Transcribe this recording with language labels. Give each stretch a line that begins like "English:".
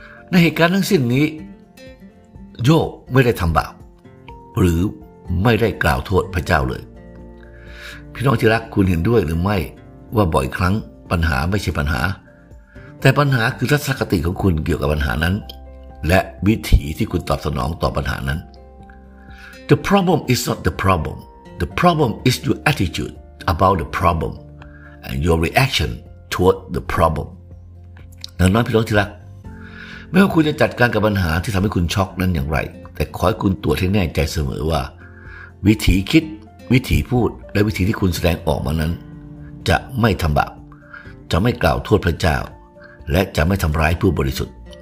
Thai: ในเหตุการณ์ทั้งสิ้นนี้โยบไม่ได้ทำบาปหรือไม่ได้กล่าวโทษพระเจ้าเลยพี่น้องที่รักคุณเห็นด้วยหรือไม่ว่าบ่อยครั้งปัญหาไม่ใช่ปัญหาแต่ปัญหาคือทัศนคติของคุณเกี่ยวกับปัญหานั้นและวิธีที่คุณตอบสนองต่อปัญหานั้น
English: The problem is not the problem. The problem is your attitude about the problem and your reaction toward the problem.
Thai: น้องๆพี่น้องที่รักไม่ว่าคุณจะจัดการกับปัญหาที่ทำให้คุณช็อกนั้นอย่างไรแต่ขอให้คุณตรวจให้แน่ใจเสมอว่าวิธีคิดวิธีพูดและวิธีที่คุณแสดงออกมานั้นจะไม่ทำบาปจะไม่กล่าวโทษพระเจ้าและจะไม่ทำร้ายผู้บริสุทธิ์